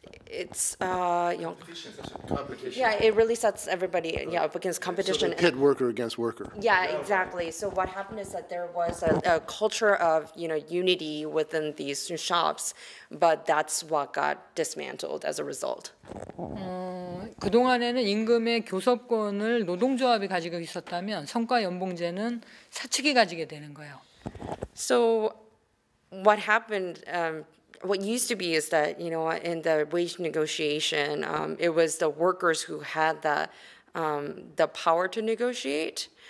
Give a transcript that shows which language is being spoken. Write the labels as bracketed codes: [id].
[en] It's you know, competition. Yeah, it really sets everybody yeah up against competition. So they pit worker against worker. Yeah, exactly. So what happened is that there was a culture of you know unity within these shops, but that's what got dismantled as a result. [ko] 그동안에는 임금의 교섭권을 노동조합이 가지고 있었다면 성과 연봉제는 사측이 가지게 되는 거예요. [en] So what happened? What used to be is that, you know, in the wage negotiation, it was the workers who had the power to negotiate.